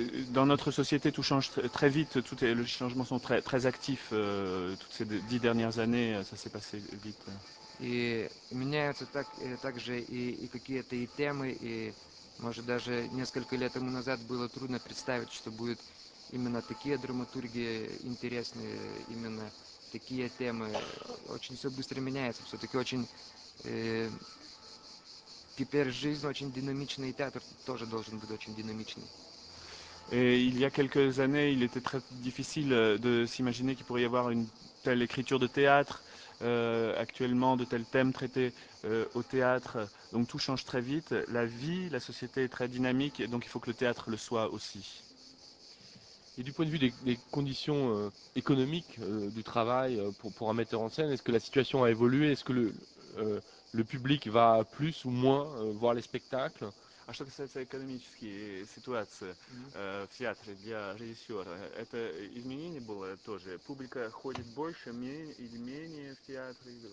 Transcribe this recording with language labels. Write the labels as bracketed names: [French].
[French] Dans notre société, tout change très vite. Les changements sont très, très actifs. Toutes ces 10 dernières années, ça s'est passé vite. [Russian] И меняются также и какие-то и темы, и может даже несколько лет тому назад было трудно представить, что будет именно такие драматургии интересные, именно такие темы. Очень все быстро меняется, все-таки очень теперь жизнь очень динамичная, и театр тоже должен быть очень динамичный. [French] Et il y a quelques années, il était très difficile de s'imaginer qu'il pourrait y avoir une telle écriture de théâtre actuellement, de tels thèmes traités au théâtre. Donc tout change très vite. La vie, la société est très dynamique, et donc il faut que le théâtre le soit aussi. Et du point de vue des conditions économiques du travail pour un metteur en scène, est-ce que la situation a évolué? Est-ce que le public va plus ou moins voir les spectacles? [Russian] А что касается экономической ситуации в театре для режиссера, это изменение было тоже? Публика ходит больше, или менее в театр?